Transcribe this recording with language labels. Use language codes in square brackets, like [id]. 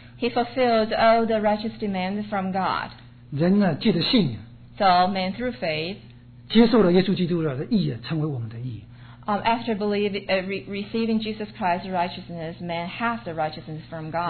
[en] he fulfilled all the righteous demands from God. [zh] 人呢,借着信, [en] so man through faith, [zh] 接受了耶稣基督的义,成为我们的义。 [en] After believing, receiving Jesus Christ's righteousness, man has the righteousness from God.